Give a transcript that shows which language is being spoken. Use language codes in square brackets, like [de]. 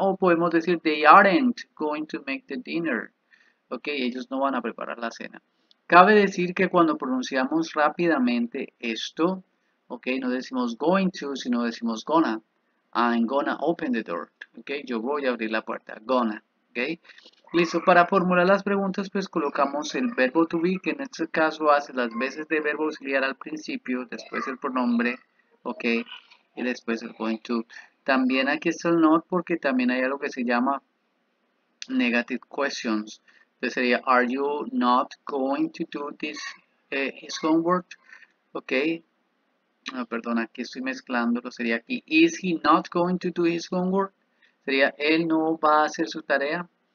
[es] O podemos decir, [en] they aren't going to make the dinner. [es] Ok, ellos no van a preparar la cena. Cabe decir que cuando pronunciamos rápidamente esto, ok, no decimos going to, sino decimos gonna. [en] I'm gonna open the door. Ok, [es] yo voy a abrir la puerta. [en] Gonna. [es] Ok, listo. Para formular las preguntas, pues colocamos el verbo to be, que en este caso hace las veces de verbo auxiliar al principio, después el pronombre, ok, y después el going to. También aquí está el not, porque también hay algo que se llama negative questions. Entonces sería, [en] are you not going to do this his homework? Ok. [es] No, perdón, aquí estoy mezclándolo. Sería aquí, [en] is he not going to do his homework? [es] Sería, él no va a hacer su tarea.